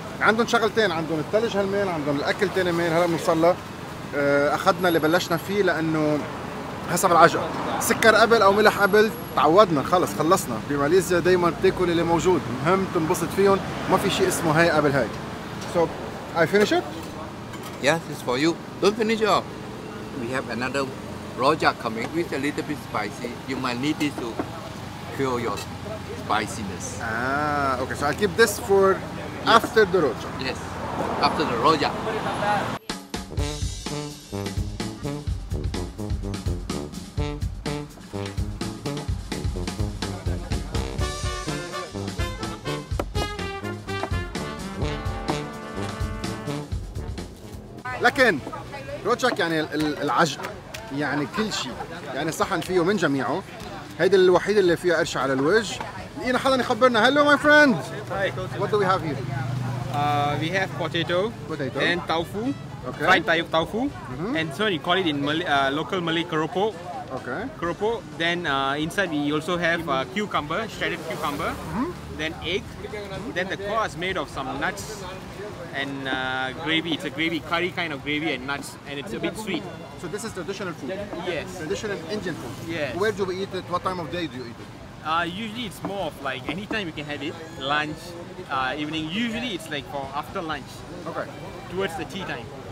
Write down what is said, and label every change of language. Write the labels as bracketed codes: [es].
[ar] عندهم شغلتين، عندهم الثلج هالمين، عندهم الاكل ثاني مين. هلا بنوصل له اخذنا اللي بلشنا فيه لانه حسب العجقة، سكر قبل او ملح قبل، تعودنا خلص خلصنا. بماليزيا دايما بتاكل اللي موجود، مهم تنبسط فيهم، ما في شيء اسمه هاي قبل هاي. [en] So I finish it? Yes, it's for you. Don't finish it off. We have another rojak coming with a little bit spicy. You might need this to cure your spiciness. Ah, okay. So I keep this for after the rojak. Yes, after the rojak. [ar] لكن روتشاك يعني العجق، يعني كل شيء، يعني صحن فيه من جميعه. هيدي الوحيد اللي فيها قرش على الوجه. لقينا حدا يخبرنا. [en] Hello my friend, what do we have here? We have potato and tofu, fried تايوك tofu, and so you call it in local Malay كروبو. Okay كروبو. Then inside we also have cucumber, shred cucumber, then egg, then the core is made of some nuts and gravy. It's a gravy, curry kind of gravy and nuts, and it's a bit sweet. So this is traditional food? Yes. Traditional Indian food? Yes. Where do we eat it? What time of day do you eat it? Usually it's more of like anytime you can have it, lunch, evening. Usually it's like for after lunch. Okay. Towards the tea time.